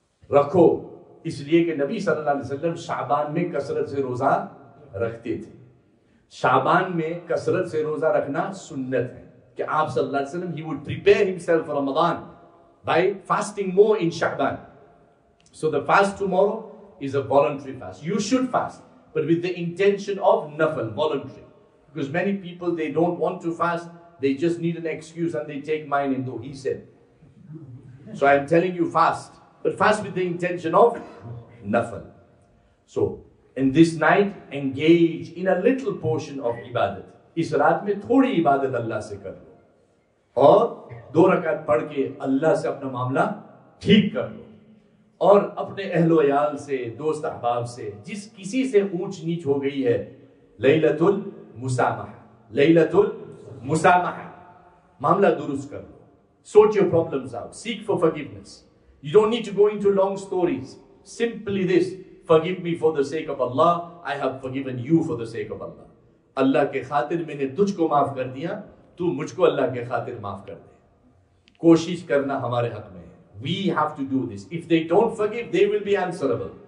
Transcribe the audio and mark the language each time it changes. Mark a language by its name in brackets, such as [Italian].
[Urdu] رکھو اس لیے کہ نبی صلی اللہ علیہ وسلم شعبان میں کثرت سے روزہ رکھتے تھے. شعبان میں کثرت سے روزہ رکھنا سنت ہے کہ آپ صلی اللہ علیہ وسلم [English] he would prepare himself for Ramadan by fasting more in Shaban. So the fast tomorrow is a voluntary fast. You should fast, but with the intention of nafal, voluntary. Because many people, they don't want to fast, they just need an excuse and they take mine in, though he said. So I'm telling you, fast. But fast with the intention of nafal. So, in this night, engage in a little portion of ibadat. [Urdu] Is raat mein thodi ibadat Allah se kar lo. Aur do rakat padh ke Allah se apna mamla theek kar lo. اور اپنے اہل و عیال سے, دوست احباب سے, جس کسی سے اونچ نیچ ہو گئی ہے, لیلۃ المسامحہ, لیلۃ المسامحہ, معاملہ درست کر لو. [English] سوچ your problems out, seek for forgiveness. You don't need to go into long stories. Simply this, forgive me for the sake of Allah, I have فرگیون you for the sake of Allah. [Urdu] اللہ کے خاطر میں نے تجھ کو معاف کر دیا, تو مجھ کو اللہ کے خاطر معاف کر دے. کوشش کرنا ہمارے حق میں. [English] We have to do this. If they don't forgive, they will be answerable.